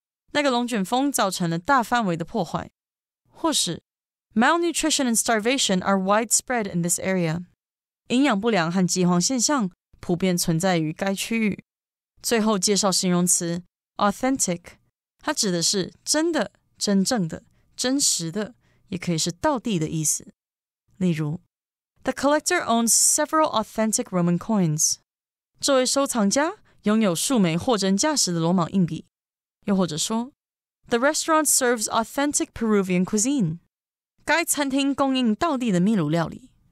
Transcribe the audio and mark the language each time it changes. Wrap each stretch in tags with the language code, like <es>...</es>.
<zh>那个龙卷风造成了大范围的破坏。或是</zh> <en>Malnutrition and starvation are widespread in this area.</en> <zh>营养不良和饥荒现象普遍存在于该区域。最后介绍形容词 authentic， 它指的是真的、真正的、真实的，也可以是道地的意思。例如</zh> <en>，The collector owns several authentic Roman coins.</en> <zh>这位收藏家拥有数枚货真价实的罗马硬币。又或者说</zh> <en>，The restaurant serves authentic Peruvian cuisine.</en> <zh>该餐厅供应道地的秘鲁料理。</zh>